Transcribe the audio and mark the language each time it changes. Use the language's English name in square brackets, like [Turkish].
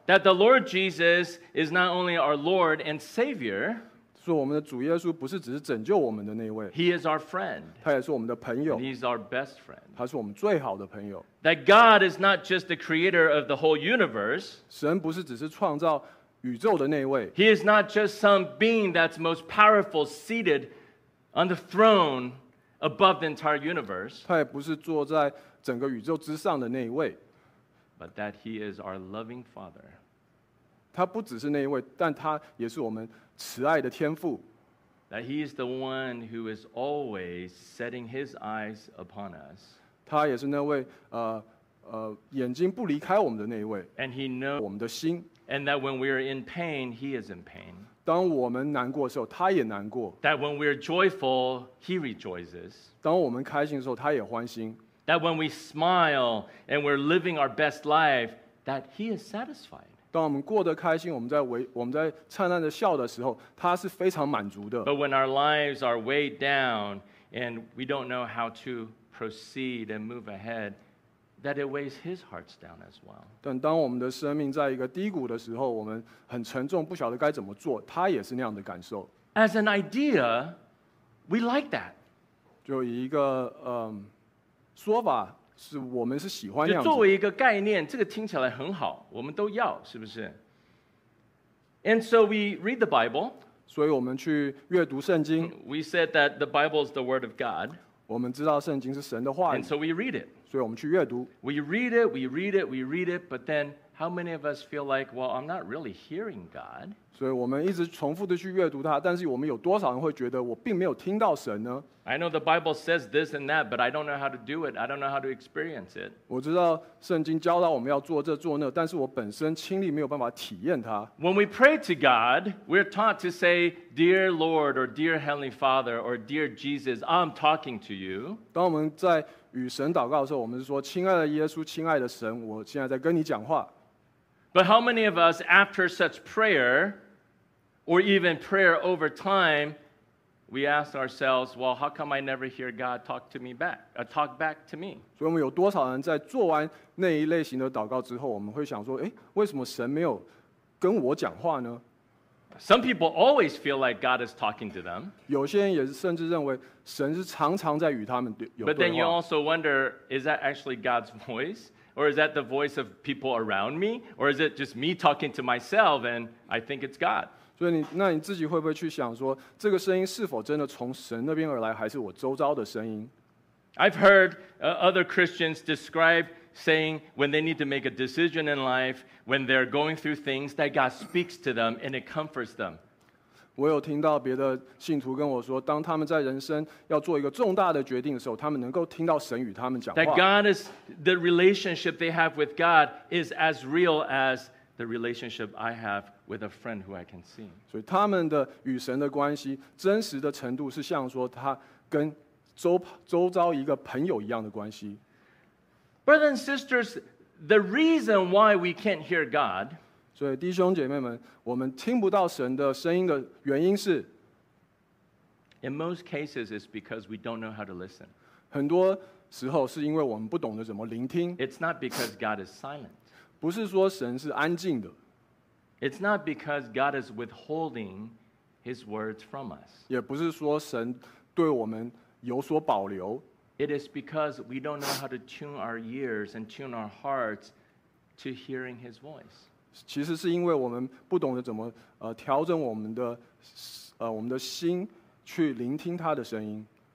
[English] That the Lord Jesus is not only our Lord and Savior. [Chinese] 所以我们的主耶稣不是只是拯救我们的那位。 [English] He is our friend. [Chinese] 他也是我们的朋友。 [English] And he's our best friend. [Chinese] 他是我们最好的朋友。 [English] That God is not just the creator of the whole universe. [Chinese] 神不是只是创造宇宙的那位。 [English] He is not just some being that's most powerful seated on the throne above the entire universe. [Chinese] 他也不是坐在整个宇宙之上的那一位。 [English] But that he is our loving father. [Chinese] 他不只是那一位，但他也是我们慈爱的天父。 [English] That he is the one who is always setting his eyes upon us. [Chinese] 他也是那位眼睛不离开我们的那一位。 [English] And he knows [Chinese] 我们的心。 [English] And that when we are in pain, he is in pain. [Chinese] 当我们难过的时候，他也难过。 [English] That when we are joyful, he rejoices. [Chinese] 当我们开心的时候，他也欢心。 [English] That when we smile and we're living our best life, that he is satisfied. [Chinese] 当我们过得开心，我们在灿烂的笑的时候，他是非常满足的。 [English] But when our lives are weighed down and we don't know how to proceed and move ahead, that it weighs his heart down as well. [Chinese] 但当我们的生命在一个低谷的时候，我们很沉重，不晓得该怎么做，他也是那样的感受。 [English] As an idea, we like that. [Chinese] 就以一个说法是我们是喜欢这样子，就作为一个概念，这个听起来很好，我们都要，是不是？ [English] And so we read the Bible. [Chinese] 所以我们去阅读圣经。 [English] We said that the Bible is the word of God. [Chinese] 我们知道圣经是神的话语。 [English] And so we read it. [Chinese] 所以我们去阅读。 [English] We read it, we read it, we read it, but then how many of us feel like, well, I'm not really hearing God? [Chinese] 所以我们一直重复的去阅读它，但是我们有多少人会觉得我并没有听到神呢？ [English] I know the Bible says this and that, but I don't know how to do it. I don't know how to experience it. [Chinese] 我知道圣经教导我们要做这做那，但是我本身亲历没有办法体验它。 [English] When we pray to God, we're taught to say, Dear Lord, or Dear Heavenly Father, or Dear Jesus, I'm talking to you. [Chinese] 当我们在与神祷告的时候，我们是说，亲爱的耶稣，亲爱的神，我现在在跟你讲话。 [English] But how many of us, after such prayer, or even prayer over time, we ask ourselves, well, how come I never hear God talk to me back, talk back to me? [Chinese] 所以我们有多少人在做完那一类型的祷告之后，我们会想说，诶，为什么神没有跟我讲话呢？ [English] Some people always feel like God is talking to them. [Chinese] 有些人也甚至认为神是常常在与他们有对话。 [English] But then you also wonder, is that actually God's voice? Or is that the voice of people around me? Or is it just me talking to myself and I think it's God? [Chinese] 所以那你自己会不会去想说，这个声音是否真的从神那边而来，还是我周遭的声音？ [English] I've heard other Christians describe saying when they need to make a decision in life, when they're going through things that God speaks to them and it comforts them. [Chinese] 我有听到别的信徒跟我说，当他们在人生要做一个重大的决定的时候，他们能够听到神与他们讲话。 [English] That God is the relationship they have with God is as real as the relationship I have with a friend who I can see. [Chinese] 所以他们的与神的关系真实的程度是像说他跟周遭一个朋友一样的关系。 [English] Brothers and sisters, the reason why we can't hear God. [Chinese] 所以弟兄姐妹们，我们听不到神的声音的原因是 [English] ，In most cases, it's because we don't know how to listen. [Chinese] 很多时候是因为我们不懂得怎么聆听。 [English] It's not because God is silent. [Chinese] 不是说神是安静的。 [English] It's not because God is withholding His words from us. [Chinese] 也不是说神对我们有所保留。 [English] It is because we don't know how to tune our ears and tune our hearts to hearing His voice. [Chinese] 其实是因为我们不懂得怎么调整我们的心去聆听他的声音。